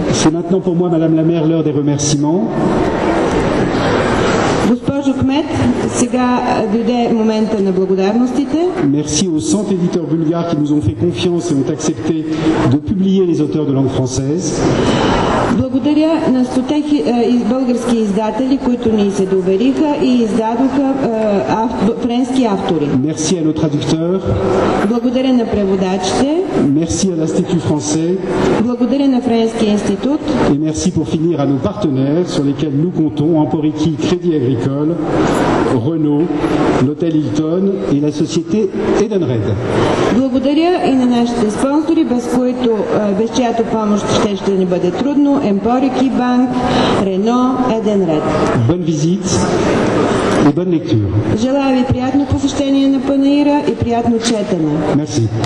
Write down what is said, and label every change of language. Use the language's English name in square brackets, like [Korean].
[French] C'est maintenant pour moi, madame la maire, l'heure des remerciements. [Bulgarian] Госпожо Кмет, сега дойде момента на благодарностите. [French] Merci aux 100 éditeurs bulgares qui nous ont fait confiance et ont accepté de publier les auteurs de langue française. [Bulgarian] Благодаря на 100 български издатели, които ни се довериха и издадоха френски автори. [French] Merci à nos traducteurs. [Bulgarian] Благодаря на преводачите. [French] Merci à l'Institut français. [Bulgarian] Благодаря на Френския институт. [French] Et merci pour finir à nos partenaires sur lesquels nous comptons, Emporiki, Crédit Agricole, Renault, l'Hôtel Hilton et la société Edenred. [Bulgarian] Благодаря и на нашите спонсори, без чиято помощ ще ни бъде трудно, Emporiki Bank, Renault, Edenred. [French] Bonne visite et bonne lecture. [Bulgarian] Желая ви приятно посещение на панаира и приятно четене. [French] Merci.